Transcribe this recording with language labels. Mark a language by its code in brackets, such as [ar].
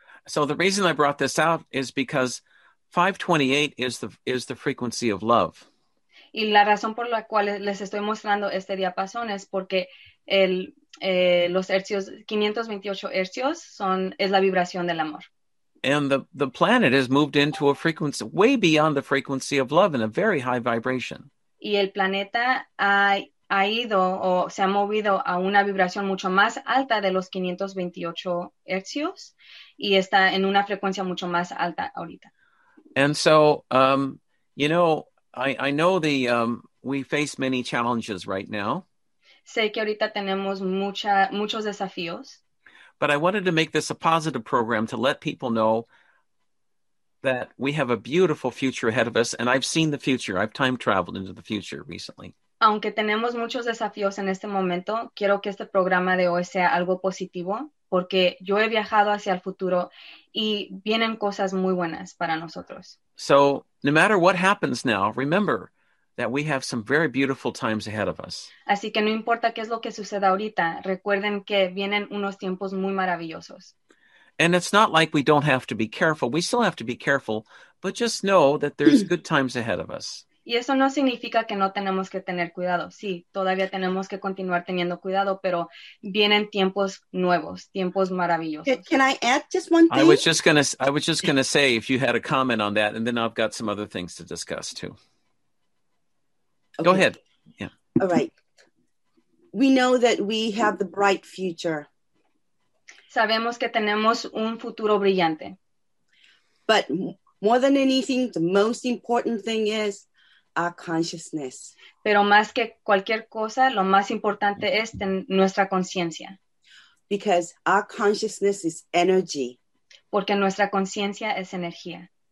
[en] So the reason I brought this out is because 528 is the frequency of love. [es] Y la razón por la cual les estoy mostrando este diapasón es porque los hercios, 528 hercios es la vibración del amor. [en] And the planet has moved into a frequency way beyond the frequency of love in a very high vibration. [es] Y el planeta ha ido o se ha movido a una vibración mucho más alta de los 528 hercios y está en una frecuencia mucho más alta ahorita. [en] And so, you know, I know we face many challenges right now. [es] Sé que ahorita tenemos muchos desafíos. [en] But I wanted to make this a positive program to let people know that we have a beautiful future ahead of us. And I've seen the future. I've time traveled into the future recently. [es] Aunque tenemos muchos desafíos en este momento, quiero que este programa de hoy sea algo positivo, porque yo he viajado hacia el futuro y vienen cosas muy buenas para nosotros. [en] So, no matter what happens now, remember that we have some very beautiful times ahead of us. [es] Así que no importa qué es lo que suceda ahorita, recuerden que vienen unos tiempos muy maravillosos. [en] And it's not like we don't have to be careful. We still have to be careful, but just know that there's good times ahead of us. [es] Y eso no significa que no tenemos que tener cuidado. Sí, todavía tenemos que continuar teniendo cuidado, pero vienen tiempos nuevos, tiempos maravillosos. [en] Can I add just one thing? I was just gonna say if you had a comment on that, and then I've got some other things to discuss too. Okay. Go ahead. Yeah. All right. We know that we have the bright future. [es] Sabemos que tenemos un futuro brillante. [en] But more than anything, the most important thing is our consciousness. [es] Pero más que cualquier cosa, lo más importante es nuestra conciencia. [en] Because our consciousness is energy. [es] Porque nuestra conciencia es energía.